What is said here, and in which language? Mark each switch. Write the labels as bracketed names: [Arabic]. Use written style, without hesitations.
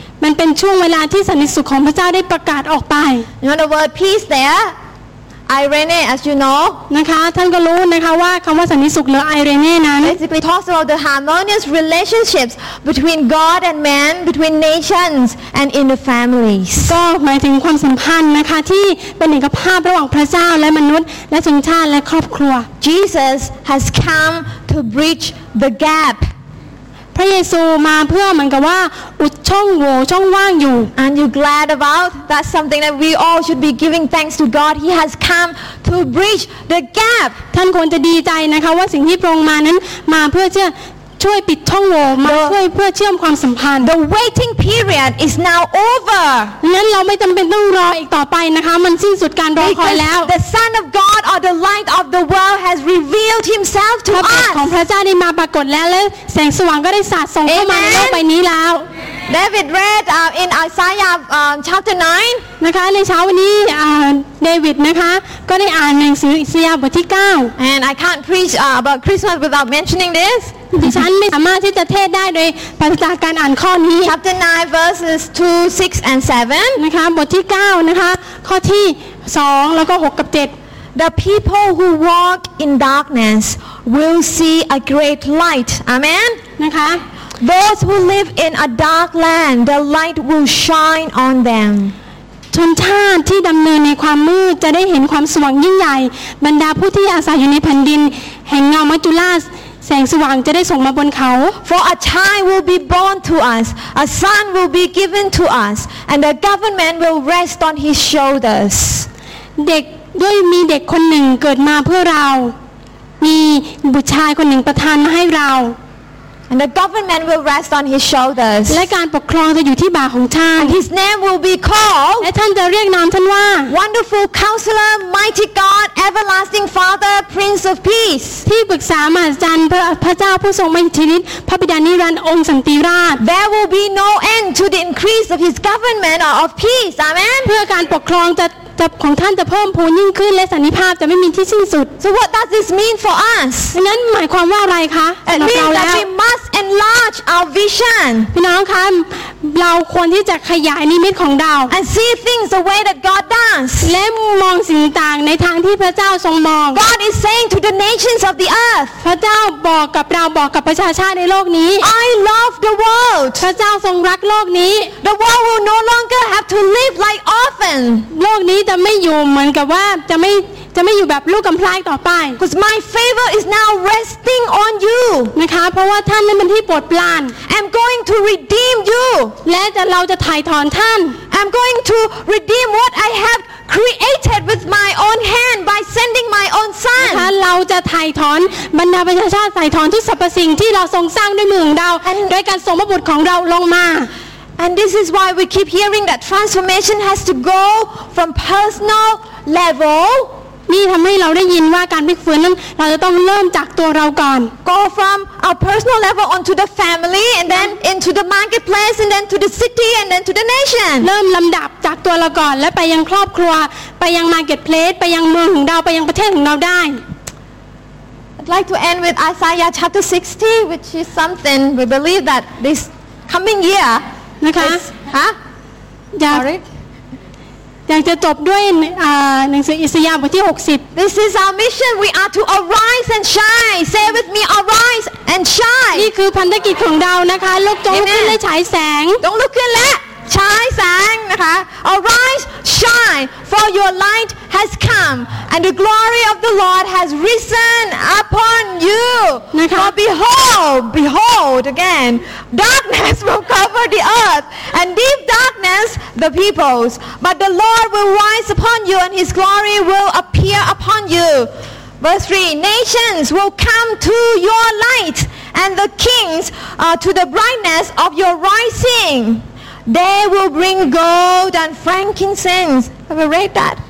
[Thai] มันเป็นช่วงเวลาที่สันติสุขของพระเจ้าได้ประกาศออกไป [English] You know the word peace there Irene, as you know, [Thai] นะคะท่านก็รู้นะคะว่าคำว่าสันติสุขหรือ Irene นั้น [English] basically talks about the harmonious relationships between God and man, between nations and in the families. [Thai] ก็หมายถึงความสัมพันธ์นะคะที่เป็นเอกภาพระหว่างพระเจ้าและมนุษย์และชนชาติและครอบครัว [English] Jesus has come to bridge the gap. [Thai] พระเยซูมาเพื่อเหมือนกับว่าอุดช่องโหว่ช่องว่างอยู่ [English] Are you glad about that's something that we all should be giving thanks to God He has come to bridge the gap [Thai] ท่านควรจะดีใจนะคะว่าสิ่งที่พระองค์มานั้นมาเพื่อจะช่วยปิดช่องโหว่มาเพื่อเชื่อมความสัมพันธ์ [English] The waiting period is now over [Thai] นั้นเราไม่จำเป็นต้องรออีกต่อไปนะคะมันสิ้นสุดการรอคอยแล้ว [English] The Son of God or the light of the world has revealed himself to us [Thai] ของพระเจ้านี่มาปรากฏแล้วแล้วแสงสว่างก็ได้สาดส่องเข้ามาในโลกใบนี้แล้ว [English] David read in Isaiah chapter 9 [Thai] นะคะในเช้าวันนี้David นะคะก็ได้อ่านหนังสืออิสยาห์บทที่9 [English] And I can't preach about Christmas without mentioning this [Thai] ดิฉันไม่สามารถที่จะเทศได้โดยปราศจากการอ่านข้อนี้ [English] Chapter 9 verses 2 6 and 7 [Thai] นะคะบทที่9นะคะข้อที่2แล้วก็6กับ7 [English] The people who walk in darkness will see a great light Amen [Thai] นะคะ [English] Those who live in a dark land the light will shine on them [Thai] ชนชาติที่ดำเนินในความมืดจะได้เห็นความสว่างยิ่งใหญ่บรรดาผู้ที่อาศัยอยู่ในแผ่นดินแห่งเงามัจจุราชแสงสว่างจะได้ส่งมาบนเขา [English] For a child will be born to us a son will be given to us and the government will rest on his shoulders [Thai] เด็กด้วยมีเด็กคนหนึ่งเกิดมาเพื่อเรามีบุตรชายคนหนึ่งประทานมาให้เรา [English] And the government will rest on his shoulders [Thai] และการปกครองจะอยู่ที่บ่าของท่าน [English] And his name will be called [Thai] และท่านจะเรียกนามท่านว่า [English] Wonderful Counselor Mighty GodEverlasting Father, Prince of Peace. [Thai] ที่ปรึกษามหาจันทร์พระเจ้าผู้ทรงมหิทธิฤทธิ์พระบิดานิรันดร์องค์สันติราช [English] There will be no end to the increase of His government or of peace. Amen. [Thai] เพื่อการปกครองจะของท่านจะเพิ่มพูนยิ่งขึ้นและสันติภาพจะไม่มีที่สิ้นสุด [English] So what does this mean for us? [Thai] นั้นหมายความว่าอะไรคะ [English] It means that we must enlarge our vision. [Thai] พี่น้องคะเราควรที่จะขยายนิมิตของเรา [English] And see things the way that God does [Thai] และมองสิ่งต่างในทางที่พระเจ้าทรงมอง [English] God is saying to the nations of the earth [Thai] พระเจ้าบอกกับเราบอกกับประชาชาติในโลกนี้ [English] I love the world [Thai] พระเจ้าทรงรักโลกนี้ [English] The world will no longer have to live like orphans [Thai] โลกนี้จะไม่อยู่เหมือนกับว่าจะไม่อยู่แบบลูกกำพร้าต่อไป [English] Because my favor is now resting on you [Thai] นะคะเพราะว่าท่านนั้นเป็นที่โปรดปราน [English] I'm going to redeem you [Thai] และเราจะไถ่ถอนท่าน [English] I'm going to redeem what I have created with my own hand by sending my own son [Thai] นะคะเราจะไถ่ถอนบรรดาประชาชาติไถ่ถอนทุกสรรพสิ่งที่เราทรงสร้างด้วยมือของเราด้วยการส่งพระบุตรของเราลงมา [English] And this is why we keep hearing that transformation has to go from personal level. [Thai] นี่ทำให้เราได้ยินว่าการพลิกฟื้นนั้นเราจะต้องเริ่มจากตัวเราก่อน [English] Go from our personal level onto the family, and then into the marketplace, and then to the city, and then to the nation. [Thai] เริ่มลำดับจากตัวเราก่อนและไปยังครอบครัวไปยัง marketplace ไปยังเมืองของเราไปยังประเทศของเราได้ [English] I'd like to end with Isaiah chapter 60, which is something we believe that this coming year. [Thai] นะคะ ฮะอยาก จะจบด้วยหนังสืออิสยาห์บทที่60 [English] This is our mission we are to arise and shine say with me arise and shine [Thai] นี่คือพันธกิจของเรานะคะลุกจงลุกขึ้นและฉายแสง ต้องลุกขึ้นและฉายแสงนะคะ [English] arise shine for your light has come and the glory of the Lord has risen upon you [Thai] นะคะ [English] for behold again darkness will cover the earth and deep darkness the peoples but the Lord will rise upon you and his glory will appear upon you verse 3 nations will come to your light and the kings to the brightness of your risingThey will bring gold and frankincense. Have you read that?